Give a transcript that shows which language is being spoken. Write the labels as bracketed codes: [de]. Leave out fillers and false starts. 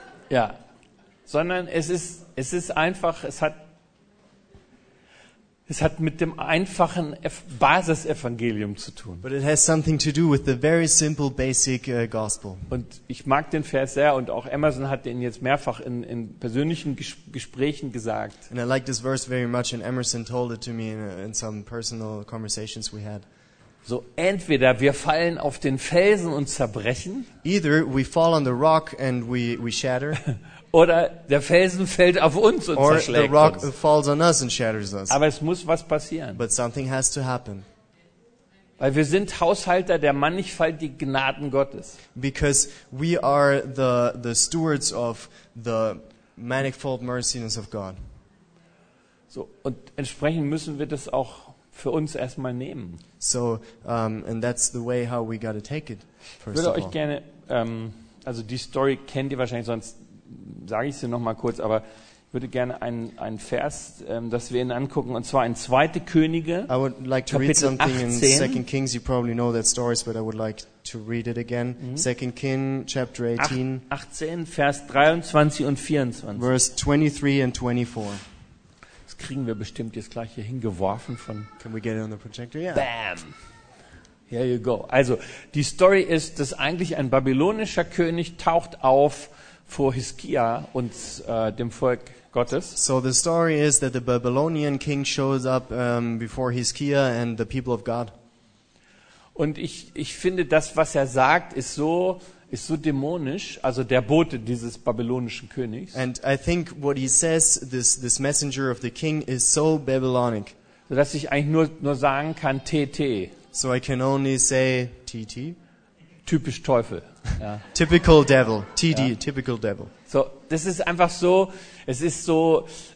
[de] Ja, sondern es hat mit dem einfachen Basisevangelium zu tun. [en] But it has something to do with the very simple basic gospel. [de] Und ich mag den Vers sehr und auch Emerson hat den jetzt mehrfach in persönlichen Gesprächen gesagt. [en] And I like this verse very much and Emerson told it to me in some personal conversations we had. [de] So entweder wir fallen auf den Felsen und zerbrechen. [en] Either we fall on the rock and we shatter. [de] Oder der Felsen fällt auf uns und zerschlägt uns. [en] Or the rock falls on us and shatters us. [de] Aber es muss was passieren. [en] But something has to happen. [de] Weil wir sind Haushalter der mannigfaltigen Gnaden Gottes. [en] Because we are the stewards of the manifold merciness of God. [de] So und entsprechend müssen wir das auch für uns erstmal nehmen. [en] So, and that's the way how we gotta take it. [de] Ich würde euch gerne, also die Story kennt ihr wahrscheinlich, sonst sage ich sie noch mal kurz. Aber ich würde gerne einen Vers, dass wir ihn angucken, und zwar in 2. Könige. [en] I would like to [de] Kapitel [en] read something [de] 18. [en] In 2 Kings. You probably know that story, but I would like to read it again. 2 Kings, chapter 18. [de] 18, Vers 23 und 24. [en] Verse 23 and 24. [de] Kriegen wir bestimmt jetzt gleich hier hingeworfen von... [en] Can we get it on the projector? Yeah. Bam! Here you go. [de] Also, die Story ist, dass eigentlich ein babylonischer König taucht auf vor Hiskia und dem Volk Gottes. [en] So the story is that the Babylonian king shows up before Hiskia and the people of God. [de] Und ich finde, das, was er sagt, ist so dämonisch, also der Bote dieses babylonischen Königs. [en] And I think what he says, this messenger of the king, is so Babylonic. [de] So dass ich eigentlich nur sagen kann, TT. [en] So I can only say TT. [de] Typisch Teufel. Ja. [en] Typical devil. TD, ja. Typical devil. [de] So, das ist einfach so, es ist so